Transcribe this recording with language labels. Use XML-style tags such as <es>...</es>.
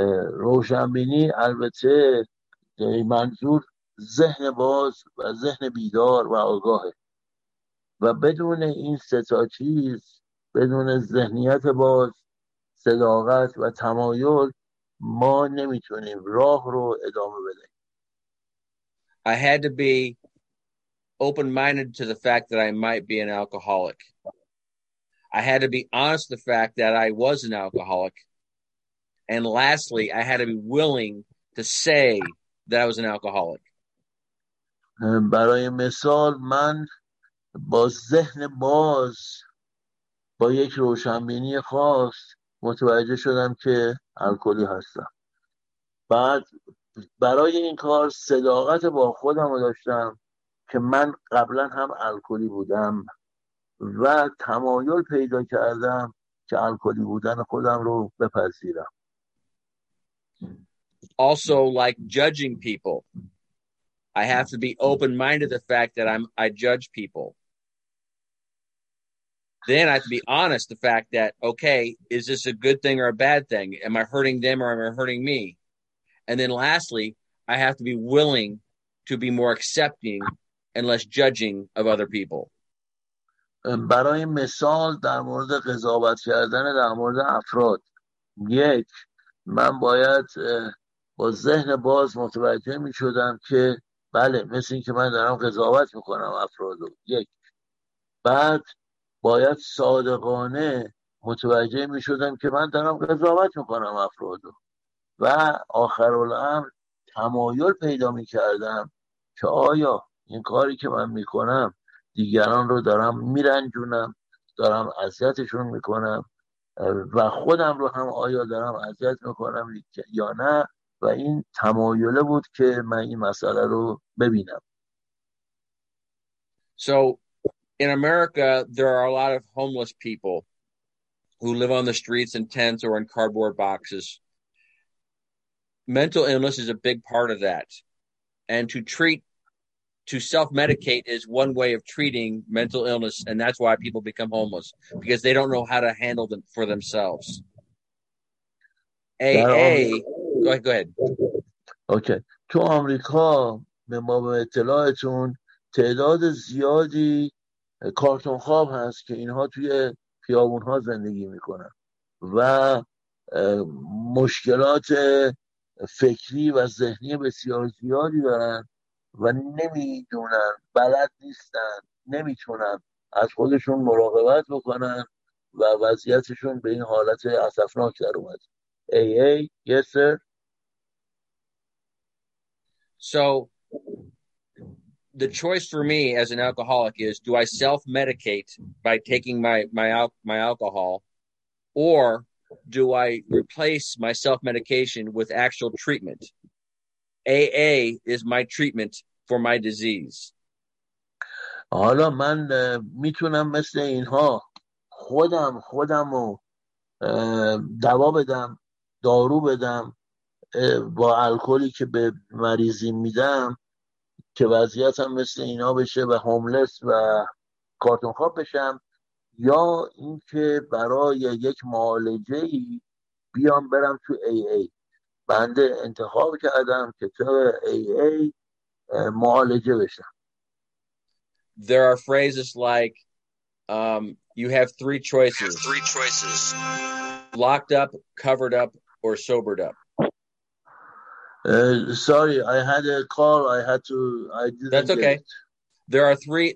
<fa>روشنبینی البته منظور ذهن باز و ذهن بیدار و آگاهه و بدون این ستا چیز، بدون ذهنیت باز، صداقت و تمایل ما نمیتونیم راه رو ادامه بدیم.</fa> <en>I had to be open-minded to the fact that I might be an alcoholic. I had to be honest with the fact that I was an alcoholic. And lastly, I had to be willing to say that I was an alcoholic.</en> <fa>برای مثال من با ذهن باز با یک روشنبینی خاص متوجه شدم که الکلی هستم. بعد برای این کار صداقت با خودم رو داشتم که من قبلا هم الکلی بودم و تمایل پیدا کردم که الکلی بودن خودم رو بپذیرم.</fa> <en>Also, like judging people, I have to be open-minded to the fact that I judge people. Then I have to be honest the fact that, okay, is this a good thing or a bad thing? Am I hurting them or am I hurting me? And then lastly, I have to be willing to be more accepting and less judging of other people.</en> <fa>برای مثال در مورد قضاوت کردن در مورد افراد، یک، من باید با ذهن باز متوجه می شدم که بله، مثل این که من دارم قضاوت می کنم افراد رو، یک. بعد باید صادقانه متوجه می شدم که من دارم قضاوت می کنم افراد رو و آخر الامر تمایل پیدا می کردم که آیا این کاری که من میکنم دیگران رو دارم میرنجونم، دارم اذیتشون میکنم و خودم رو هم آیا دارم اذیت میکنم یا نه. و این تمایله بود که من این مسئله رو ببینم.</fa> <en>So in America there are a lot of homeless people who live on the streets in tents or in cardboard boxes. Mental illness is a big part of that, and to self-medicate is one way of treating mental illness, and that's why people become homeless, because they don't know how to handle them for themselves. AA, go ahead. Okay.</en> <fa>تو آمریکا به ما به اطلاعتون تعداد زیادی کارتون خواب هست که اینها توی خیابون‌ها زندگی می‌کنن و مشکلات فکری و ذهنی بسیار زیادی دارن و نمیدونن، بلد نیستن، نمیتونن از خودشون مراقبت بکنن و وضعیتشون به این حالت اسفناک در اومد.</fa> <en>AA, yes sir. So the choice for me as an alcoholic is, do I self-medicate by taking my alcohol, or do I replace my self-medication with actual treatment? AA is my treatment for my disease.</en> <fa>حالا من میتونم مثل اینها خودمو دوا بدم، دارو بدم با الکلی که به مریضی میدم که وضعیتم مثل اینا بشه و هوملس و کارتون خواب بشم، یا اینکه برای یک معالجه ای بیام برم تو AA. بنده انتخاب کردم که تو AA معالجه بشم.</fa> <en>There are phrases like you have three choices. Three choices. Locked up, covered up, or sobered up. Sorry, I had a call. I had to. I didn't. That's okay. Get... There are three.</en>